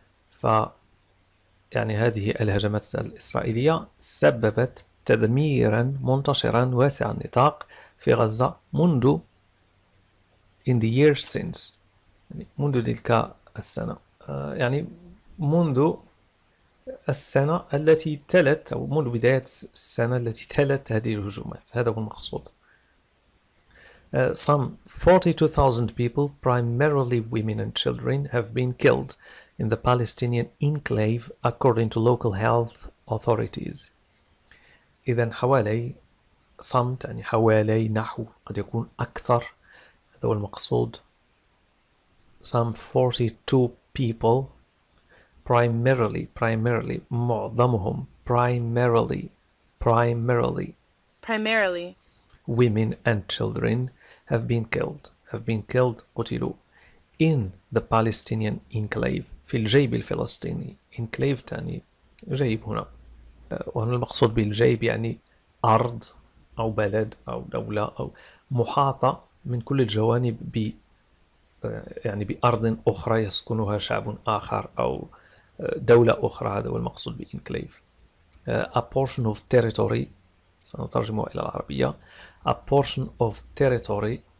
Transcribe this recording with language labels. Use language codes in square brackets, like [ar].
[ar] ف يعني هذه الهجمات الإسرائيلية سببت تدميرا منتشرا واسع النطاق في غزة منذ [en] in the year since [ar] يعني منذ تلك السنة يعني منذ السنة التي تلت أو منذ بداية السنة التي تلت هذه الهجومات هذا هو المقصود. [en] Some 42,000 people, primarily women and children, have been killed in the Palestinian enclave, according to local health authorities. [ar] إذا حوالي some يعني حوالي نحو قد يكون أكثر هذا هو المقصود. [en] Some 42 people, primarily معظمهم primarily women and children. have been killed [ar] قتلوا [en] in the Palestinian enclave [ar] في الجيب الفلسطيني enclave تاني جيب هنا وهنا المقصود بالجيب يعني أرض أو بلد أو دولة أو محاطة من كل الجوانب ب يعني بأرض أخرى يسكنها شعب آخر أو دولة أخرى هذا هو المقصود بالenclave [en] a portion of territory [ar] سنترجمه إلى العربية a portion of territory